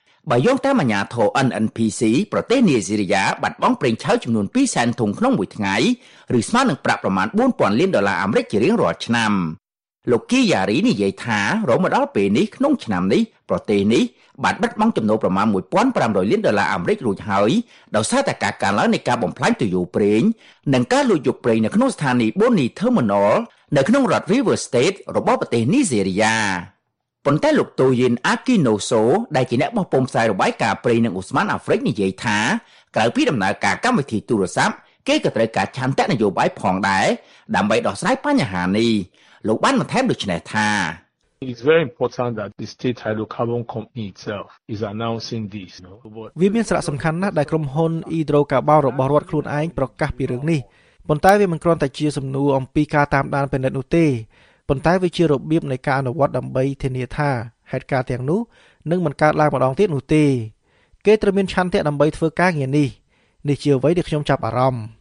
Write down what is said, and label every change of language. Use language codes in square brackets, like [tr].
[km] បើយោងតាមអាជ្ញាធរ NNPC ប្រទេសនីជេរីយ៉ាបាត់បង់ប្រេងឆៅចំនួន 200,000 ថងក្នុងមួយថ្ងៃឬស្មើនឹងប្រាក់ប្រមាណ 4,000 លានដុល្លារអាមេរិកជារៀងរាល់ឆ្នាំលោកគីយ៉ារីនិយាយថារហូតមកដល់ពេលនេះក្នុងឆ្នាំនេះប្រទេសនេះបាត់បង់ចំនួនប្រមាណ 1,500 លានដុល្លារអាមេរិករួចហើយដោយសារតែការកើនឡើងនៃការបំផ្លាញទុយោប្រេងនិងការលួចយកប្រេងនៅក្នុងស្ថានីយ៍ Bonny Terminal នៅក្នុងរដ្ឋ River State របស់ប្រទេសនីជេរីយ៉ា ប៉ុន្តែលោកតូយិនអាគីណូសូដែលជាអ្នកបោះពុម្ពផ្សាយរបាយការណ៍ប្រេងនឹងអូស្មានអាហ្វ្រិកនិយាយថាក្រៅពីដំណើរការកម្មវិធីទូរស័ព្ទគេក៏ត្រូវការឆន្ទៈនយោបាយផងដែរដើម្បីដោះស្រាយបញ្ហានេះលោកបានបន្ថែមដូចនេះថា [en] It's very important that the state hydrocarbon company itself is announcing this you know but [km] វាមានសារៈសំខាន់ណាស់ដែលក្រុមហ៊ុន Hydrocarbon របស់រដ្ឋខ្លួនឯងប្រកាសពីរឿងនេះប៉ុន្តែវាមិនគ្រាន់តែជាសំណួរអំពីការតាមដានពីនិតនោះទេប៉ុន្តែវាជារបៀបនៃការអនុវត្តដើម្បីធានាថាហេតុការណ៍ទាំងនោះនឹងមិនកើតឡើងម្ដងទៀតនោះទេគេត្រូវមានឆន្ទៈដើម្បីធ្វើការងារនេះនេះជាអ្វីដែលខ្ញុំចាប់អារម្មណ